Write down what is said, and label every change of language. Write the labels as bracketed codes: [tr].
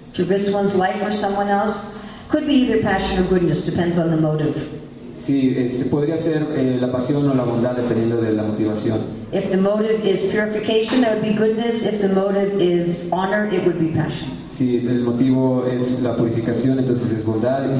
[en] To risk one's life for someone else could be either passion or goodness, depends on the motive. [es] Sí, podría ser la pasión o la bondad dependiendo de la motivación. [en] If the motive is purification, that would be goodness. If the motive is honor, it would be passion. [es] Si el motivo es la purificación, entonces es bondad.